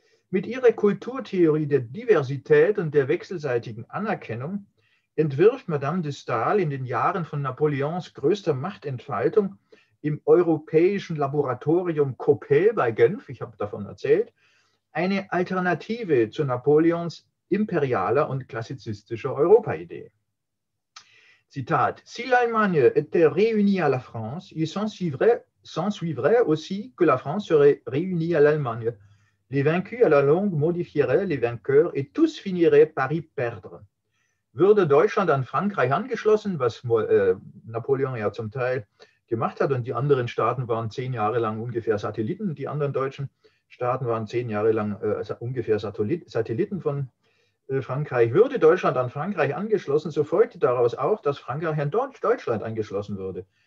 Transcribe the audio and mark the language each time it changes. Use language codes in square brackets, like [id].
[de] Mit ihrer Kulturtheorie der Diversität und der wechselseitigen Anerkennung entwirft Madame de Stael in den Jahren von Napoleons größter Machtentfaltung im europäischen Laboratorium Coppée bei Genf, ich habe davon erzählt, eine Alternative zu Napoleons imperialer und klassizistischer Europa-Idee. [fr] Zitat: Si l'Allemagne était réunie à la France, il s'en suivrait aussi que la France serait réunie à l'Allemagne. Les vaincus à la longue modifieraient les vainqueurs et tous finiraient par y perdre. [de] Würde Deutschland an Frankreich angeschlossen, was Napoleon ja zum Teil gemacht hat, und die anderen Staaten waren 10 Jahre lang ungefähr Satelliten, die anderen deutschen Staaten waren 10 Jahre lang ungefähr Satelliten von Frankreich. Würde Deutschland an Frankreich angeschlossen, so folgte daraus auch, dass Frankreich an Deutschland angeschlossen würde.